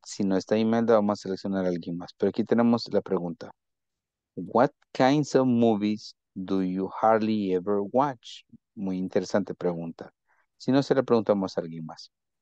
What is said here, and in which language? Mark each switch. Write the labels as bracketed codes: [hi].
[es] Si no está Imelda, vamos a seleccionar a alguien más. Pero aquí tenemos la pregunta. [en] What kinds of movies do you hardly ever watch? [es] Muy interesante pregunta. Si no, se la preguntamos a alguien más.